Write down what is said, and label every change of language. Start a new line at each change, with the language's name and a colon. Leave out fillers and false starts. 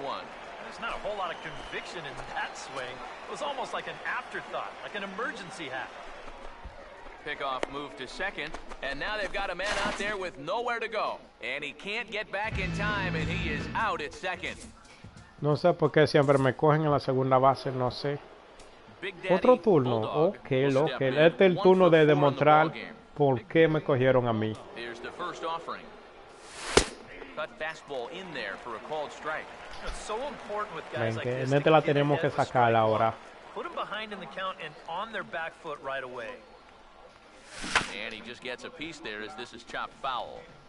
English: There's not a whole lot of conviction in that swing. It was almost like an afterthought, like an emergency hack. Pickoff move to second, and now they've got a man out there with nowhere to go. And he can't get back in time, and he is out at second.
Spanish: No sé por qué siempre me cogen en la segunda base, no sé.
English: Daddy,
Spanish: otro turno,
English: Bulldog, ok, ok.
Spanish: Este es el turno de demostrar por qué me cogieron a mí.
English: Here's the first offering. Cut fastball in there for a called strike. It's so important with guys like this.
Spanish: En este la tenemos que sacar ahora.
English: Put them behind in the count and on their back foot right away. And he just gets a piece there as this is chopped foul.